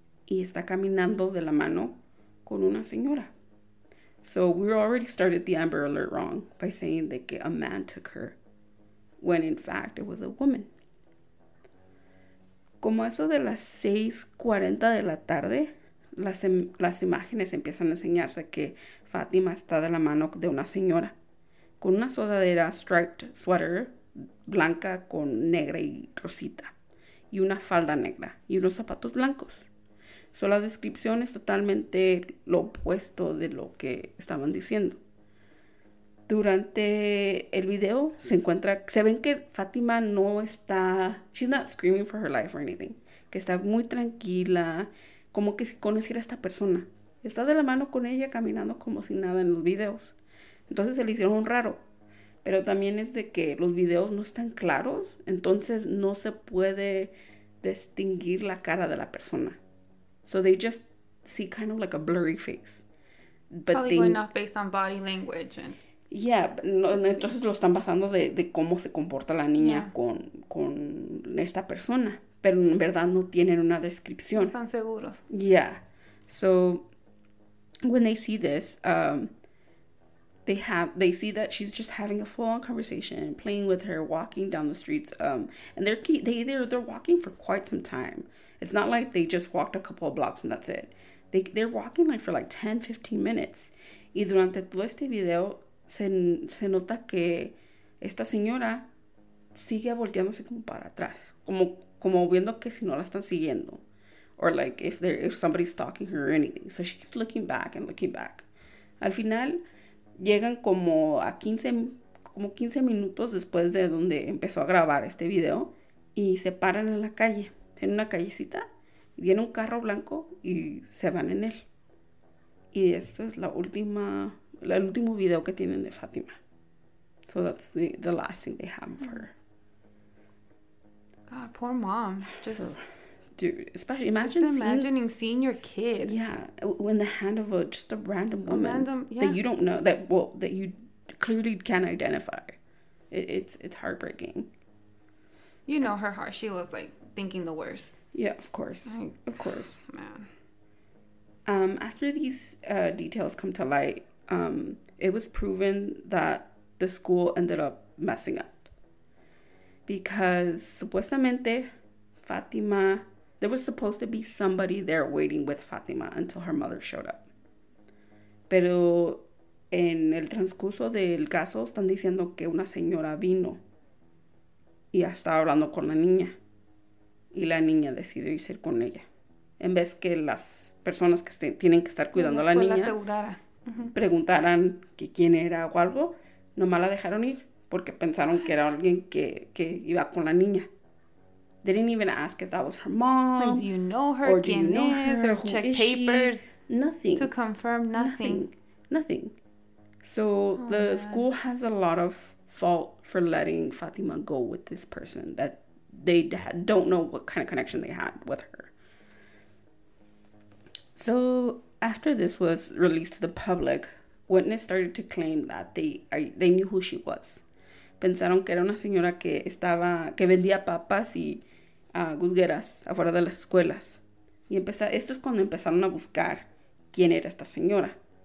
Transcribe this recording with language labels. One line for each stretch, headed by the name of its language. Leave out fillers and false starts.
Spanish: Y está caminando de la mano con una señora.
English: So we already started the Amber Alert wrong by saying that a man took her, when in fact it was a woman.
Spanish: Como eso de las 6:40 de la tarde, las imágenes empiezan a enseñarse que Fátima está de la mano de una señora con una sudadera
English: striped sweater
Spanish: blanca con negra y rosita y una falda negra y unos zapatos blancos. So, la descripción es totalmente lo opuesto de lo que estaban diciendo. Durante el video, se ven que Fátima no está...
English: She's not screaming for her life or anything.
Spanish: Que está muy tranquila, como que si conociera a esta persona. Está de la mano con ella caminando como si nada en los videos. Entonces, se le hicieron un raro. Pero también es de que los videos no están claros. Entonces, no se puede distinguir la cara de la persona.
English: So they just see kind of like a blurry face. But probably going off based on body language. And
Spanish: yeah, no, entonces lo están basando de cómo se comporta la niña con esta persona. Pero en verdad no tienen una descripción. Están seguros.
English: Yeah. So when they see this, they see that she's just having a full-on conversation, playing with her, walking down the streets. And they're walking for quite some time. It's not like they just walked a couple of blocks and that's it. They're walking like for like 10, 15 minutes.
Spanish: Y durante todo este video, se nota que esta señora sigue volteándose como para atrás. Como viendo que si no la están siguiendo.
English: Or like if somebody's stalking her or anything. So she keeps looking back and looking back.
Spanish: Al final, llegan como a 15 como 15 minutos después de donde empezó a grabar este video. Y se paran en la calle, en una callecita. Viene un carro blanco y se van en él. Y esto es la última, la, el último video que tienen de Fátima.
English: So that's the last thing they have of her. God, poor mom. Just... For... Dude, especially imagine just imagining seeing your kid. Yeah, in the hand of a just a random woman, a random that you don't know, that well, that you clearly can't identify. It's heartbreaking. You know her heart. She was like thinking the worst. Yeah, of course, like, of course, man. After these details come to light, it was proven that the school ended up messing up because supuestamente Fátima. There was supposed to be somebody there waiting with Fátima until her mother showed up.
Spanish: Pero en el transcurso del caso, están diciendo que una señora vino y estaba hablando con la niña. Y la niña decidió irse con ella. En vez que las personas que tienen que estar cuidando a la niña preguntaran que quién era o algo, nomás la dejaron ir porque pensaron que era alguien que iba con la niña.
English: They didn't even ask if that was her mom. Like, do you know her? Or do you know her? Or who check is papers? She? Nothing. To confirm nothing. Nothing. So school has a lot of fault for letting Fátima go with this person that they don't know what kind of connection they had with her. So after this was released to the public, witnesses started to claim that they knew who she was.
Spanish: Pensaron que era una señora que vendía papas y gusgueras afuera de las escuelas. Y esto es cuando empezaron a buscar quién era esta señora.